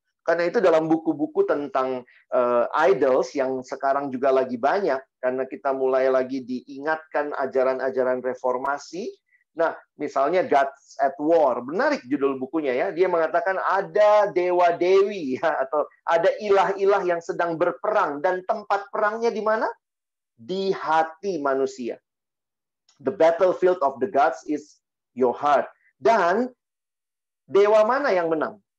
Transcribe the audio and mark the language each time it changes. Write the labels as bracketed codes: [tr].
[id] Karena itu dalam buku-buku tentang idols yang sekarang juga lagi banyak, karena kita mulai lagi diingatkan ajaran-ajaran reformasi. Nah, misalnya Gods at War, menarik judul bukunya ya. Dia mengatakan ada dewa-dewi ya, atau ada ilah-ilah yang sedang berperang. Dan tempat perangnya di mana? Di hati manusia. [en] The battlefield of the gods is your heart. [id] Dan dewa mana yang menang?